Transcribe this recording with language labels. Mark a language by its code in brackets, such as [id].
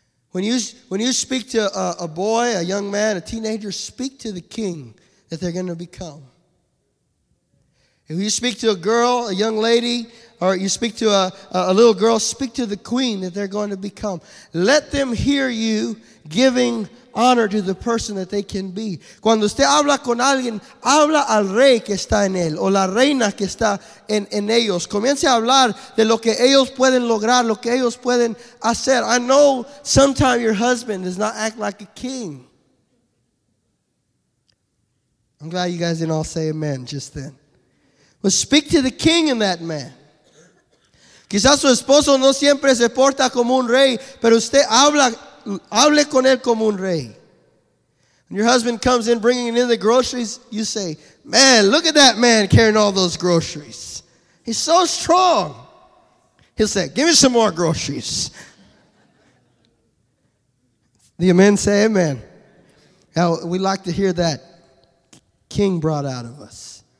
[en] When you speak to a boy, a young man, a teenager, speak to the king that they're going to become. If you speak to a girl, a young lady, or you speak to a little girl, speak to the queen that they're going to become. Let them hear you giving honor to the person that they can be. [es] Cuando usted habla con alguien, habla al rey que está en él o la reina que está en ellos. Comience a hablar de lo que ellos pueden lograr, lo que ellos pueden hacer. [en] I know sometimes your husband does not act like a king. I'm glad you guys didn't all say amen just then. But speak to the king in that man. [es] Quizás su esposo no siempre se porta como un rey, pero usted habla. Hable con él como un rey. [en] When your husband comes in bringing in the groceries, you say, "Man, look at that man carrying all those groceries. He's so strong." He'll say, "Give me some more groceries." The amen say amen. Now, we like to hear that king brought out of us.